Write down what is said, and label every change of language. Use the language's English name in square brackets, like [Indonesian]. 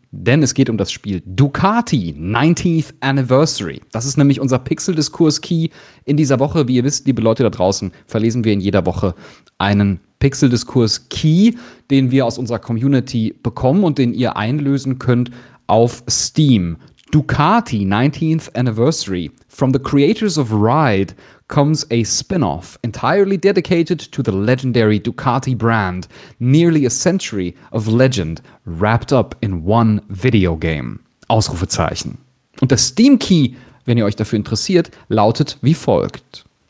[German] Denn es geht um das Spiel Ducati 19th Anniversary. Das ist nämlich unser Pixel-Diskurs-Key in dieser Woche. Wie ihr wisst, liebe Leute da draußen, verlesen wir in jeder Woche einen Pixel-Diskurs-Key, den wir aus unserer Community bekommen und den ihr einlösen könnt auf Steam. Ducati 19th Anniversary. [English] From the creators of Ride comes a spin-off entirely dedicated to the legendary Ducati brand. Nearly a century of legend wrapped up in one video game. [German] Ausrufezeichen. Und der Steam-Key, wenn ihr euch dafür interessiert, lautet wie folgt.